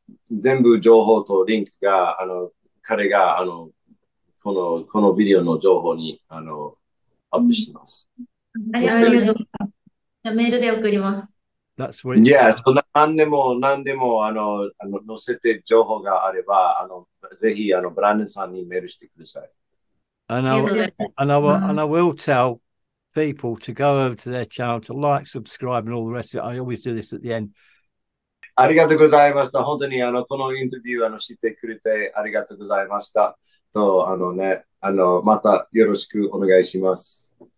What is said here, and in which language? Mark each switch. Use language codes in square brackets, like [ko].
[ja] 全部情報とリンクが、彼が、このビデオの情報に、アップします。ありがとうございます。メールで送ります。 [en] That's what it is. [ja] Yeah, so 何でも、載せて情報があれば、ぜひ、ブランデンさんにメールしてください。 [en] And I will tell people to go over to their channel to like, subscribe, and all the rest of it. I always do this at the end. [ja] ありがとうございました。本当にこのインタビュー知ってくれてありがとうございました。と、またよろしくお願いします。